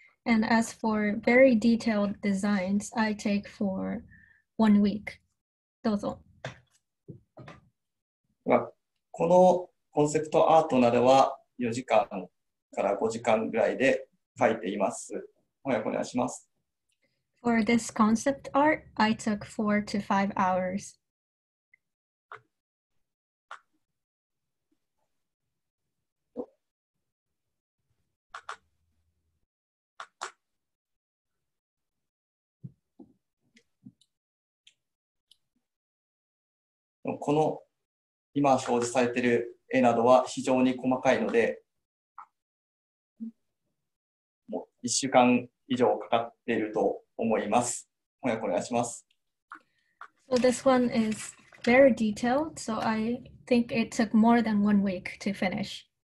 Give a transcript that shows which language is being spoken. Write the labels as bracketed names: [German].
[English] And as for very detailed designs, I take for 1 week. [Japanese] どうぞ。このコンセプトアートなどは4時間から5時間ぐらいで描いています。翻訳お願いします。 [English] For this concept art, I took 4 to 5 hours. [Japanese] この今表示されている絵などは非常に細かいので、もう1週間以上かかっていると思います。翻訳お願いします。 [English] So this one is very detailed, so I think it took more than 1 week to finish.